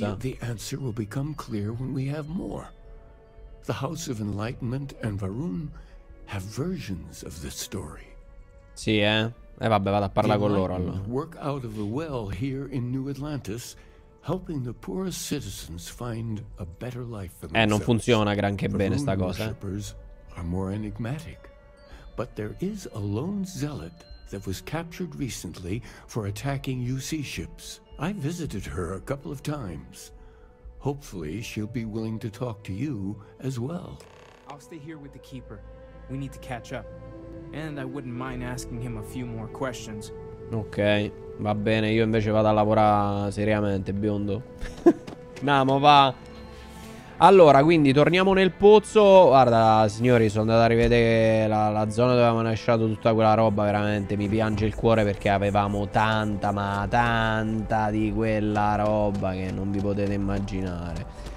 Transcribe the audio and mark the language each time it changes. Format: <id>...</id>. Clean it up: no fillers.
<en>Maybe the answer will become clear when we have more. The House of Enlightenment and Varun have versions of this story.</en> <it>Sì, eh? Vabbè, vado a parlare con loro allora.</it> <en>Work out of the well here in New Atlantis helping the poorest citizens find a better life for themselves.</en> <it>Non funziona granché bene sta cosa.</it> <en>Are more enigmatic, but there is a lone zealot that was captured recently for attacking UC ships. I visited her a couple of times. Hopefully she'll be willing to talk to you as well. I'll stay here with the keeper. We need to catch up. And I wouldn't mind asking him a few more questions.</en> <it>Ok, va bene, io invece vado a lavorare seriamente, biondo. Namo, va. Allora, quindi torniamo nel pozzo. Guarda, signori, sono andato a rivedere la zona dove avevamo lasciato tutta quella roba. Veramente mi piange il cuore perché avevamo tanta, ma tanta di quella roba che non vi potete immaginare.</it>